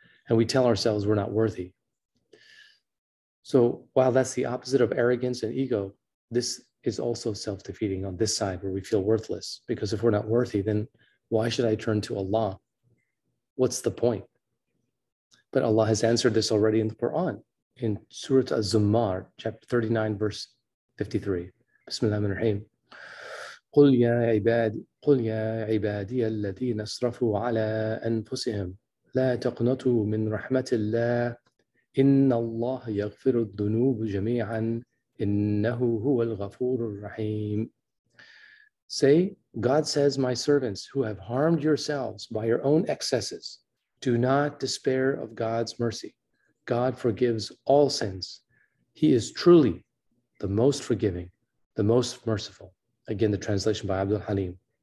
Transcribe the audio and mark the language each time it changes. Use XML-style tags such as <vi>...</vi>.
<en>And we tell ourselves we're not worthy. So while that's the opposite of arrogance and ego, this is also self-defeating on this side, where we feel worthless. Because if we're not worthy, then why should I turn to Allah? What's the point? But Allah has answered this already in the Quran, in Surah Az-Zumar, chapter 39, verse 53.</en> <ar>Bismillah ar rahim. قل يا عبادي الذين اسرفوا على أنفسهم لا تقنطوا من رحمة الله إن الله يغفر الذنوب جميعا إنه هو الغفور الرحيم.</ar> <en>Say, God says, my servants who have harmed yourselves by your own excesses, do not despair of God's mercy. God forgives all sins. He is truly the most forgiving, the most merciful. Again, the translation by Abdul Halim.</en>